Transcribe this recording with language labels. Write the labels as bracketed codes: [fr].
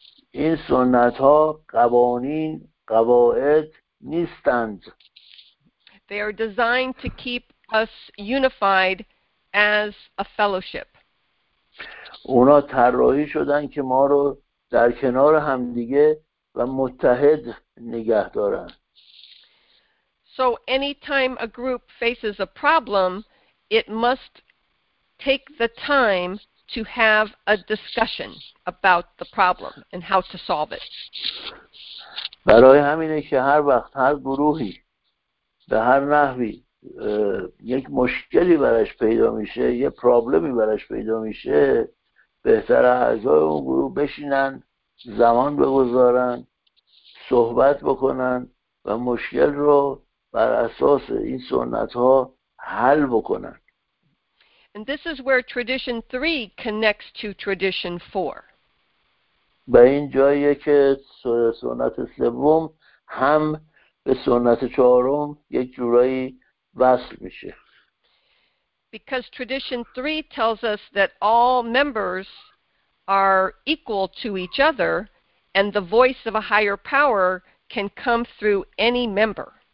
[fa] این سنت‌ها قوانین، قواعد نیستند. [en] They are designed to keep us unified as a fellowship. [fa] اونا طراحی شدن که ما رو در کنار همدیگه و متحد نگه دارن. [en] So anytime a group faces a problem, it must take the time to have a discussion about the problem and how to solve it. [fa] برای همینه که هر وقت هر گروهی به هر نحوی یک مشکلی براش پیدا میشه، یه پرابلمی براش پیدا میشه، بهتر اعضای اون گروه بشینن، زمان بگذارن، صحبت بکنن و مشکل رو بر اساس این سنت ها حل بکنن. [en] And this is where tradition 3 connects to tradition 4. [fa] به این جاییه که سنت سوم هم به سنت چهارم یک جورایی وصل میشه. [en] Because tradition 3 tells us that all members are equal to each other and the voice of a higher power can come through any member.